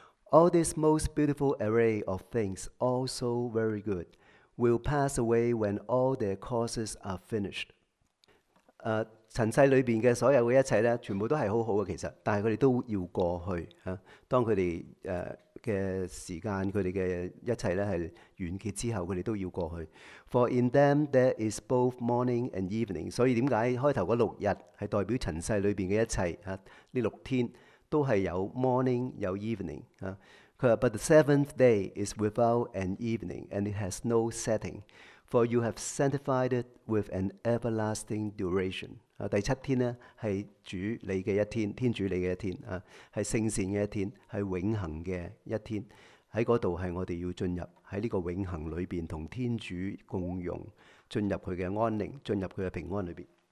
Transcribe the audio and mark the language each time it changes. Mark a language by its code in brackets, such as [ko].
[en] All this most beautiful array of things, all so very good, will pass away when all their causes are finished。 [zh] 塵世裡面的所有的一切呢，全部都是很好的其實，但是他們都要過去，當他們的時間，他們的一切呢是完結之後，他們都要過去。 [en] For in them there is both morning and evening。 [zh] 所以為什麼開頭那六日是代表塵世裡面的一切，這六天都是有 morning 有 evening。他說 [en] But the seventh day is without an evening, and it has no setting, For you have sanctified it with an everlasting duration. [zh] 第七天呢，是主你的一天，天主你的一天，是圣善的一天，是永恒的一天。在那里是我们要进入，在这个永恒里面跟天主共融，进入他的安宁，进入他的平安里面。